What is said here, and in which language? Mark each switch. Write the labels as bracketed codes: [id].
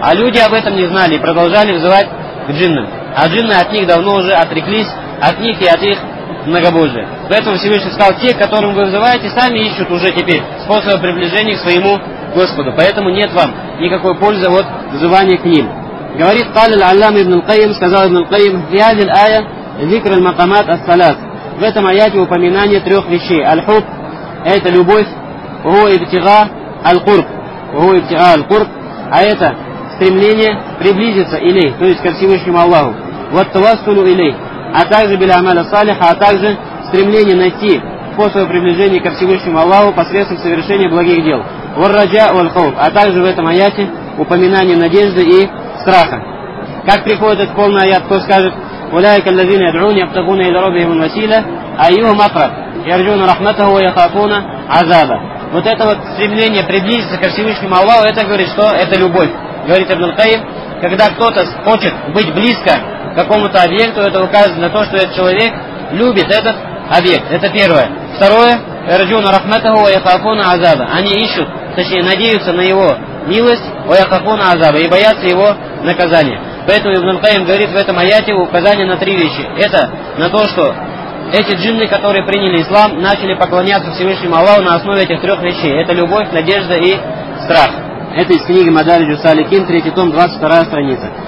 [ru] А люди об этом не знали и продолжали взывать к джиннам. А джинны от них давно уже отреклись, от них и от их многобожия. Поэтому Всевышний сказал, те, которым вы взываете, сами ищут уже теперь способы приближения к своему Господу. Поэтому нет вам никакой пользы от взывания к ним. [ar] Говорит قال العلام ابن القيم, [ru] сказал [ar] ابن القيم, في هذه الآية ذكر المقامات الثلاث. [ru] В этом аяте упоминание трех вещей. Аль-хуб, это любовь, [ar] هو ابتغاء القرب, هو ابتغاء القرب, [ru] а это стремление приблизиться إليه, то есть ко Всевышнему Аллаху. [ar] والتوصل إليه, [ru] а также [ar] بالأعمال الصالحة, [ru] а также стремление найти способ приближения ко Всевышнему Аллаху посредством совершения благих дел. [ar] والرجاء والخوف, [ru] а также в этом аяте упоминание надежды и страха. Как приходит этот полный аят, кто скажет? [ar] أولئك الذين يدعون يبتغون إلى ربهم الوسيلة أيهم أقرب يرجون رحمته ويخافون عذابه. [ru] Вот это вот стремление приблизиться ко Всевышнему Аллаху, это говорит, что это любовь. Говорит Ибн Аль-Каим, когда кто-то хочет быть близко к какому-то объекту, это указывает на то, что этот человек любит этот объект. Это первое. [ar] Второе, يرجون رحمته ويخافون عذابه. [ru] Они ищут, точнее надеются на его милость, [ar] ويخافون عذابه, [ru] и боятся его наказания. Поэтому Ибн Аль-Каим говорит в этом аяте указание на три вещи. Это на то, что эти джинны, которые приняли ислам, начали поклоняться Всевышнему Аллаху на основе этих трех вещей. Это любовь, надежда и страх. Это из книги Мадариджу Салихин, 3 том, 22 страница.